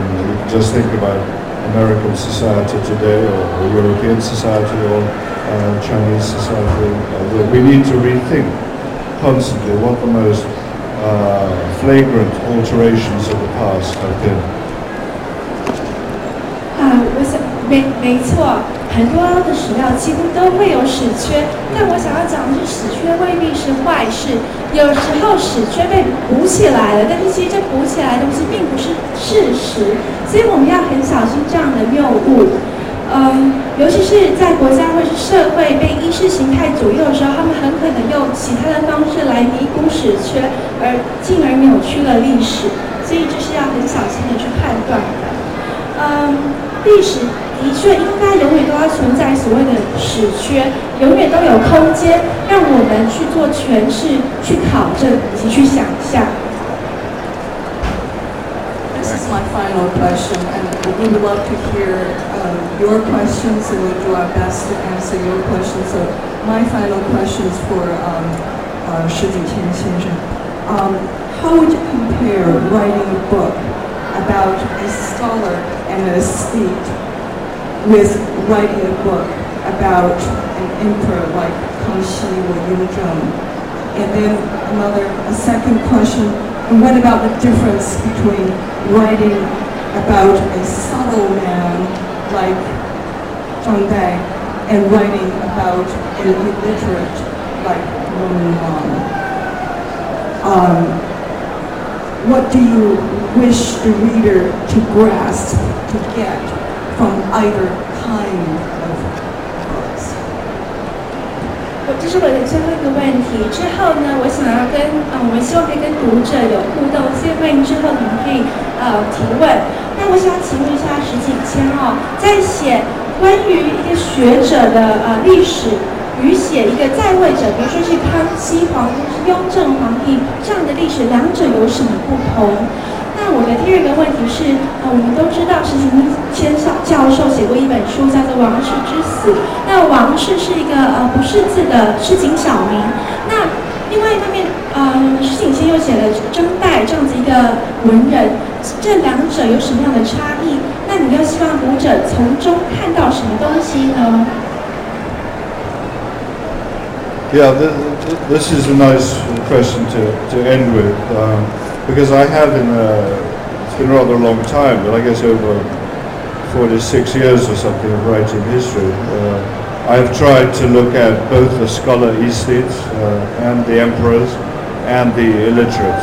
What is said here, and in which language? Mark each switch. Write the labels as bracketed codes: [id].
[en] You can just think about American society today or European society or Chinese society. We need to rethink constantly what the most flagrant alterations of the past have been. [zh] 没错，很多的史料几乎都会有史缺，但我想要讲的是，史缺未必是坏事。有时候史缺被补起来了，但是其实这补起来的东西并不是事实，所以我们要很小心这样的谬误。尤其是在国家或是社会被意识形态左右的时候，他们很可能用其他的方式来弥补史缺，而进而扭曲了历史。所以这是要很小心的去判断的。历史的确应该永远都要存在所谓的史缺，永远都有空间让我们去做诠释、去考证以及去想象。 [en] This is my final question, and we would love to hear your questions, and we'll do our best to answer your questions. So, my final question is for 石子谦先生. How would you compare writing a book about a scholar and an aesthete with writing a book about an emperor like Kangxi or Yun Zheng? And then a second question, and what about the difference between writing about a subtle man like Zhang Dai and writing about an illiterate like Wen Yuan? What do you wish the reader to grasp, to get from either kind of books? [zh] 这是我的最后一个问题。之后呢，我想要跟我希望可以跟读者有互动，所以欢迎之后你们可以提问。那我想请问一下石子谦哦，在写关于一个学者的历史与写一个在位者，比如说是康熙皇帝、雍正皇帝这样的历史，两者有什么不同？那我的第二个问题是，我们都知道石子谦教授写过一本书叫做《王室之死》，那王室是一个不识字的市井小民。那另外一方面，石子谦又写了张岱这样子一个文人，这两者有什么样的差异？那你又希望读者从中看到什么东西呢？ [en] Yeah, this is a nice question to end with, because I have it's been a rather long time, but I guess over 46 years or something of writing history, I have tried to look at both the scholar aesthetes and the emperors and the illiterates.